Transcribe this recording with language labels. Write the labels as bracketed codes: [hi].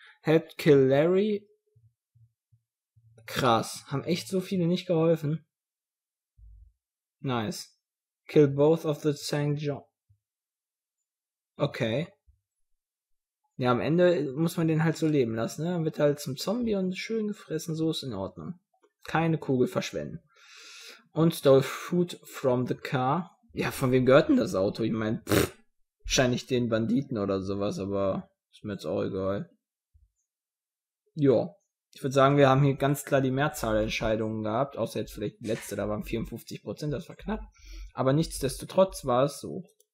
[en] Helped kill Larry. [de] Krass, haben echt so viele nicht geholfen. [en] Nice. Kill both of the St. John. Okay. [de] Ja, am Ende muss man den halt so leben lassen, ne? Dann wird halt zum Zombie und schön gefressen, so ist in Ordnung. Keine Kugel verschwenden. [en] Und stole food from the car. [de] Ja, von wem gehört denn das Auto? Ich meine, wahrscheinlich den Banditen oder sowas, aber ist mir jetzt auch egal. Jo. Ich würde sagen, wir haben hier ganz klar die Mehrzahl der Entscheidungen gehabt, außer jetzt vielleicht die letzte, da waren 54%, das war knapp. Aber nichtsdestotrotz war es so.